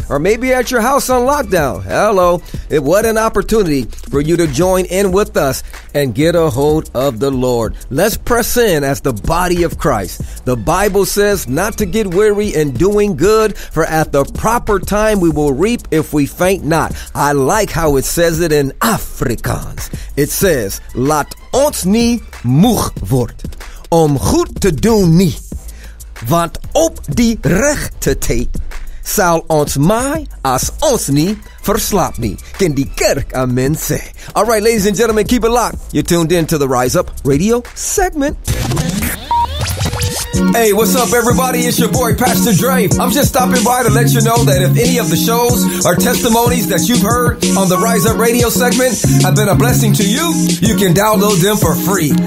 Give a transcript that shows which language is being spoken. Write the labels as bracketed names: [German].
[English] Or maybe you're at your house on lockdown. Hello. What an opportunity for you to join in with us and get a hold of the Lord. Let's press in as the body of Christ. The Bible says not to get weary and doing good, for at the proper time we will reap if we faint not. I like how it says it in Afrikaans. It says, [Afrikaans] laat ons nie moeg word om goed te doen nie, want op die rechte tyd sal ons my as ons nie verslap nie. Kan die kerk amen sê. [English] All right, ladies and gentlemen, keep it locked. You're tuned in to the Rise Up Radio segment. Hey, what's up, everybody? It's your boy, Pastor Dre. I'm just stopping by to let you know that if any of the shows or testimonies that you've heard on the Rise Up Radio segment have been a blessing to you, you can download them for free.